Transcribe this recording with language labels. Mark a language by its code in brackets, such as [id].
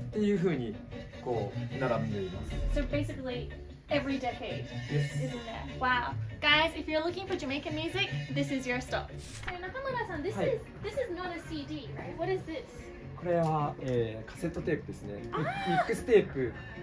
[ja] 70年代、そして80年代、90年代、2000年っていう風にこう並んでいます。 [en] So basically every decade, isn't there? Wow, guys, if you're looking for Jamaican music, this is your stop. So Nakamura-san, this is not a CD, right? What is this? [ja] これはカセットテープですね。ミックステープ。